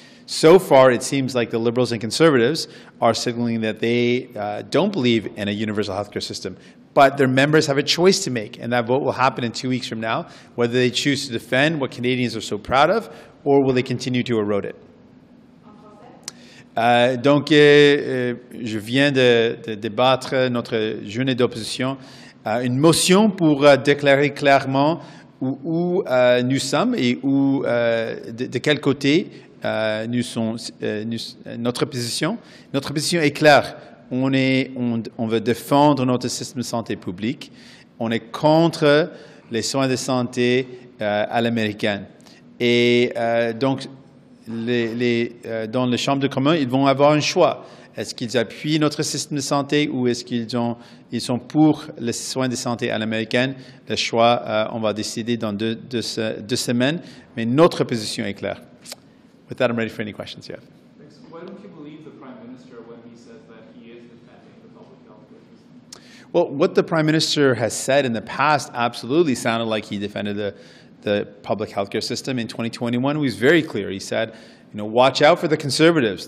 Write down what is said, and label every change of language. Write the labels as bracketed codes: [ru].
[en] So far, it seems like the Liberals and Conservatives are signaling that they don't believe in a universal healthcare system, but their members have a choice to make, and that vote will happen in 2 weeks from now, whether they choose to defend what Canadians are so proud of or will they continue to erode it. [fr] Donc, je viens de débattre notre journée d'opposition. Une motion pour déclarer clairement où nous sommes et où de quel côté nous sommes, notre position. Notre position est claire. On veut défendre notre système de santé public. On est contre les soins de santé à l'américaine. Et donc, dans les chambres de commun, ils vont avoir un choix. Est-ce qu'ils appuient notre système de santé ou est-ce qu'ils sont pour les soins de santé à l'américaine? Le choix, on va décider dans deux semaines. Mais notre position est claire. [en] With that, I'm ready for any questions you have. Why don't you believe the Prime Minister when he says that he is defending the public health care system? Well, what the Prime Minister has said in the past absolutely sounded like he defended the public health care system. In 2021, he was very clear. He said, you know, watch out for the Conservatives.